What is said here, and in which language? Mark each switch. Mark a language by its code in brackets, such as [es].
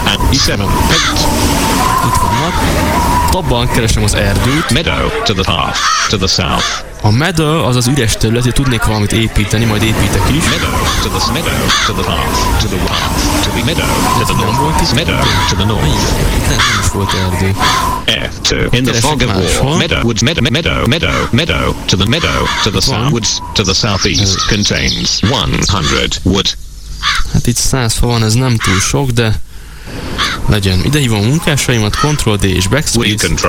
[hu] Itt vannak. Tabban keresem az erdőt. [en] Meadow to the half, to the south. [hu] A meadow az az üres terület, hogy tudnék valamit építeni, majd építek is. [en] Meadow to the meadow, to the half, to the one, to the meadow, to the north, meadow to the north. [hu] Nem is volt erdő. [en] F2, in the fog of war, meadow woods, meadow, meadow, meadow, to the meadow, to the south, woods, to the southeast, contains 100 wood. [hu] Hát itt 100 fa van, ez nem túl sok, de legyen. Ide hívom a munkásaimat, Ctrl D és backspace.